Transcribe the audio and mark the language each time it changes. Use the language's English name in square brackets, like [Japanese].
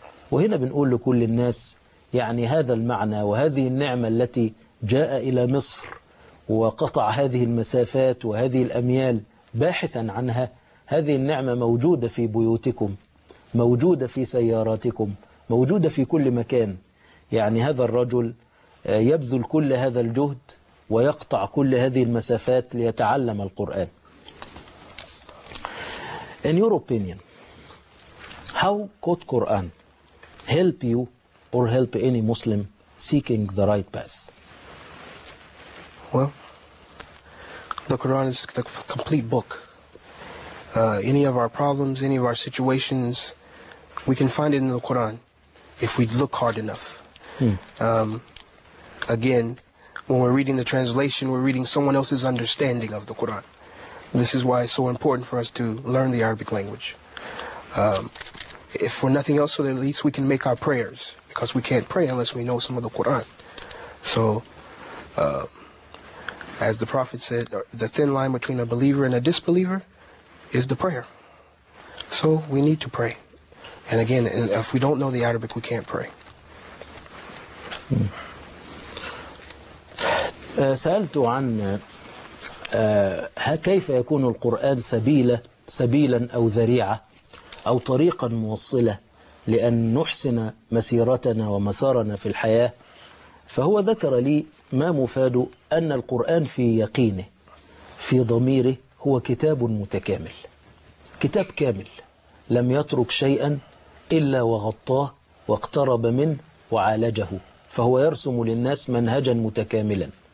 [Arabic] وهنا بنقول لكل الناس يعني هذا المعنى وهذه النعمة التي جاء إلى مصر وقطع هذه المسافات وهذه الأميال باحثا عنها، هذه النعمة موجودة في بيوتكم، موجودة في سياراتكم، موجودة في كل مكان. يعني هذا الرجل يبذل كل هذا الجهد ويقطع كل هذه المسافات ليتعلم القرآن. [English] In your opinion, how could Quran help you or help any Muslim seeking the right path? Well, the Quran is the complete book. Any of our problems, any of our situations, we can find it in the Quran if we look hard enough. Again, when we're reading the translation, we're reading someone else's understanding of the Quran. This is why it's so important for us to learn the Arabic language. If for nothing else, so that at least we can make our prayers, because we can't pray unless we know some of the Quran. So, as the Prophet said, the thin line between a believer and a disbeliever is the prayer. So we need to pray. And again, if we don't know the Arabic, we can't pray. [Arabic] سألت عن كيف يكون القرآن سبيلا أو ذريعة أو طريقا موصلة لأن نحسن مسيرتنا ومسارنا في الحياة. فهو ذكر لي ما مفاده أن القرآن في يقينه في ضميره هو كتاب متكامل، كتاب كامل لم يترك شيئا إلا وغطاه واقترب منه وعالجه، فهو يرسم للناس منهجا متكاملا.